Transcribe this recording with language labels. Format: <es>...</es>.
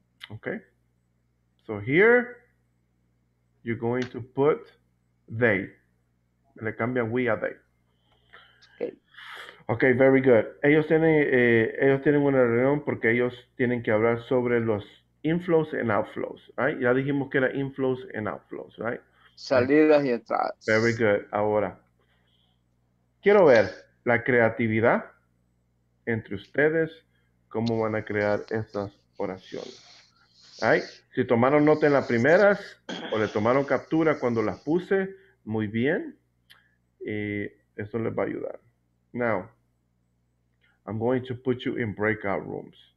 <en>Okay, so here you're going to put they.</en> <es>Le cambian we a they.</es> <en>Okay.</en> <es>Okay, very good. Ellos tienen una reunión porque ellos tienen que hablar sobre los inflows and outflows, right? Ya dijimos que era inflows and outflows, right? Salidas y entradas.</es> <en>Very good.</en> <es>Ahora quiero ver la creatividad entre ustedes, cómo van a crear estas oraciones. Right. Si tomaron nota en las primeras o le tomaron captura cuando las puse, muy bien. Eso les va a ayudar.</es> <en>Now, I'm going to put you in breakout rooms.</en>